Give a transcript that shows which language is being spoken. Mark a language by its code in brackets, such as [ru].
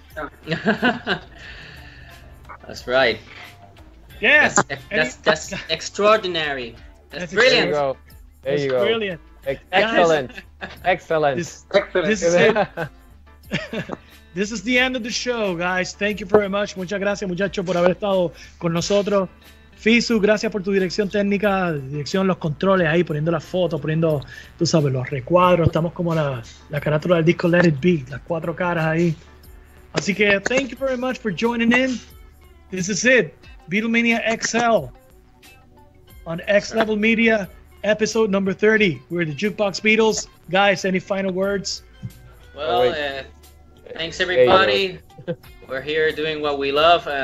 [en] man. That's right. Yes. That's extraordinary. That's brilliant. There you go. There you go. Brilliant. Excellent. Guys, excellent. Excellent. This is the end of the show, guys. Thank you very much. [es] Muchas gracias, muchachos, por haber estado con nosotros. Fisu, gracias por tu dirección técnica, dirección los controles ahí, poniendo las fotos, poniendo, tú sabes, los recuadros. Estamos como la carátula del disco Let It Be, las cuatro caras ahí. Así que, [en] thank you very much for joining in. This is it. Beatlemania XL on X Level Media, episode number 30. We're the Jukebox Beatles. Guys, any final words? Well, thanks, everybody. Hey, we're here doing what we love.